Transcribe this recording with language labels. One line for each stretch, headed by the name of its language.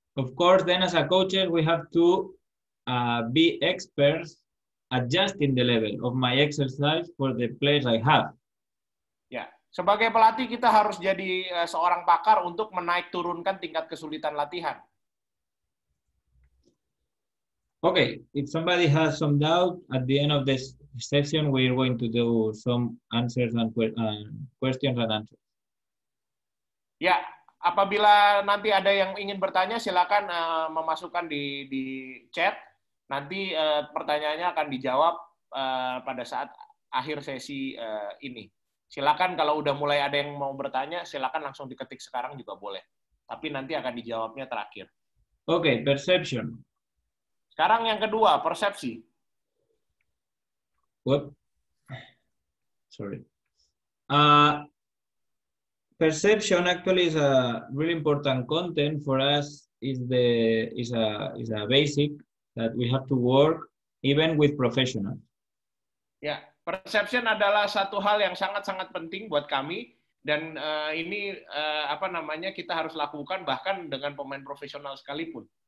English: Of course, then as a coach, we have to be experts adjusting the level of my exercise for the players I have.
Indonesian: Ya, sebagai pelatih kita harus jadi seorang pakar untuk menaik turunkan tingkat kesulitan latihan.
English: Okay, if somebody has some doubt at the end of this session, we're going to do some answers and questions and answers.
Indonesian: Ya, apabila nanti ada yang ingin bertanya, silakan memasukkan di chat. Nanti pertanyaannya akan dijawab pada saat akhir sesi ini. Silakan kalau udah mulai ada yang mau bertanya, silakan langsung diketik sekarang juga boleh. Tapi nanti akan dijawabnya terakhir.
English: Oke, okay, perception.
Indonesian: Sekarang yang kedua, persepsi.
English: What? Sorry. Perception actually is a really important content for us. Is a basic that we have to work even with professionals. Yeah.
Indonesian: Perception adalah satu hal yang sangat-sangat penting buat kami dan kita harus lakukan bahkan dengan pemain profesional sekalipun.